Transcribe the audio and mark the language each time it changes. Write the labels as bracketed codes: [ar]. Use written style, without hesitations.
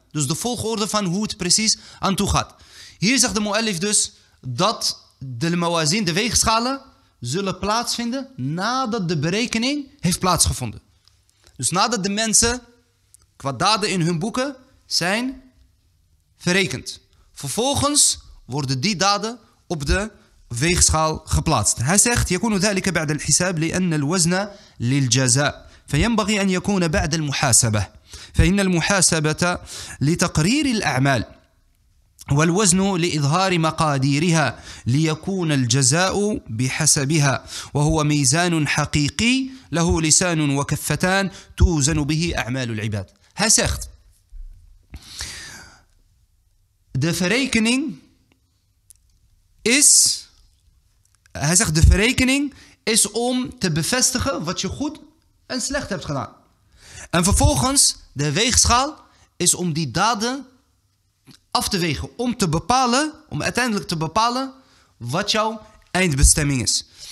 [nl] Dus de volgorde van hoe het precies aan toe gaat. Hier zegt de mu'allif dus dat de mawazin, de weegschalen, zullen plaatsvinden nadat de berekening heeft plaatsgevonden. Dus nadat de mensen qua daden in hun boeken zijn verrekend. Vervolgens worden die daden op de weegschaal geplaatst. [ar] Hij zegt, يَكُونُ ذَلِكَ بَعْدَ الْحِسَابِ لِأَنَّ الْوَزْنَ لِلْجَزَاءِ فَيَنْبَغِي أَنْ يَكُونَ بَعْدَ الْمُحَاسَبَةِ فَإِنَّ الْمُحَاسَبَةَ لِتَقْرِيرِ الْأَعْمَالِ والوزن لإظهار مقاديرها ليكون الجزاء بحسبها وهو ميزان حقيقي له لسان وكفتان توزن به أعمال العباد. [nl] Hij zegt, de verrekening is om te bevestigen wat je goed en slecht hebt gedaan. En vervolgens, de weegschaal is om die daden af te wegen, om uiteindelijk te bepalen wat jouw eindbestemming is.